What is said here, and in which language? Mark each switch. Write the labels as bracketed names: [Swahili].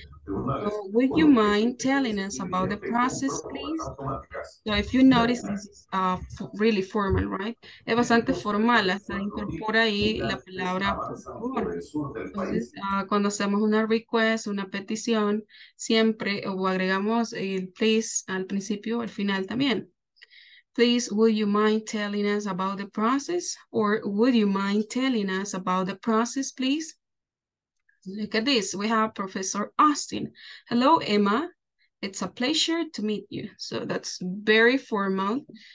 [English] So would you mind telling us about the process, please? So if you notice, this is really formal, right? [Spanish] Es bastante formal, hasta incorpora ahí la palabra por. Entonces, cuando hacemos una request, una petición, siempre o agregamos el please al principio, al final también. [English] Please, would you mind telling us about the process? Or would you mind telling us about the process, please? Look at this, we have Professor Austin. Hello, Emma. It's a pleasure to meet you. So that's very formal.